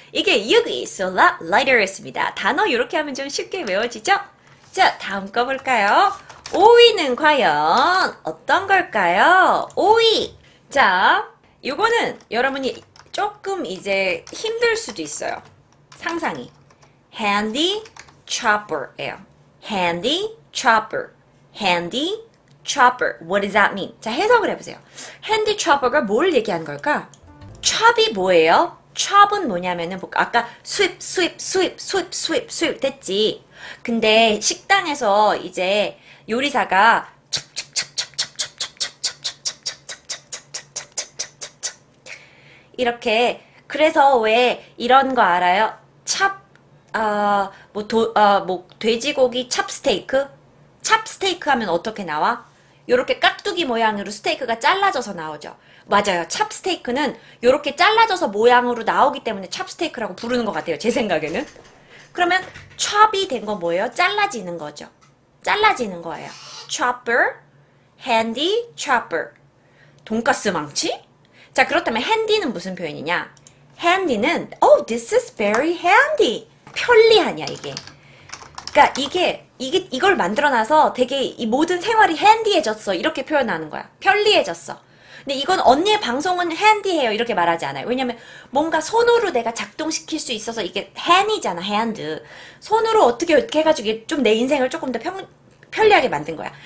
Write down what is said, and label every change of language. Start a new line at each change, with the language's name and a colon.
Korean: 이게 6위 솔라 라이터였습니다. 단어 이렇게 하면 좀 쉽게 외워지죠? 자, 다음 거 볼까요? 5위는 과연 어떤 걸까요? 5위! 자, 요거는 여러분이 조금 이제 힘들 수도 있어요. 상상이. Handy chopper예요.
English: Handy chopper. Handy chopper. What does that mean?
Korean: 자, 해석을 해보세요. Handy chopper가 뭘 얘기한 걸까? Chop이 뭐예요? Chop은 뭐냐면은, 아까 sweep, sweep, sweep, sweep, sweep, sweep 됐지. 근데 식당에서 이제 요리사가 이렇게, 그래서 왜 이런 거 알아요? 찹, 아, 뭐, 도, 아, 뭐, 돼지고기 찹스테이크? 찹스테이크 하면 어떻게 나와? 요렇게 깍두기 모양으로 스테이크가 잘라져서 나오죠. 맞아요. 찹스테이크는 요렇게 잘라져서 모양으로 나오기 때문에 찹스테이크라고 부르는 것 같아요. 제 생각에는. 그러면 chop이 된건 뭐예요? 잘라지는 거죠. 잘라지는 거예요. chopper, handy chopper. 돈가스 망치? 자, 그렇다면 handy는 무슨 표현이냐?
English: handy는, oh, this is very handy.
Korean: 편리하냐, 이게. 그러니까 이게 이걸 만들어 놔서 되게 이 모든 생활이 핸디해졌어. 이렇게 표현하는 거야. 편리해졌어. 근데 이건 언니의 방송은 핸디해요. 이렇게 말하지 않아요. 왜냐면 뭔가 손으로 내가 작동시킬 수 있어서 이게 핸이잖아, 핸드. 손으로 어떻게 해가지고 좀내 인생을 조금 더 편리하게 만든 거야.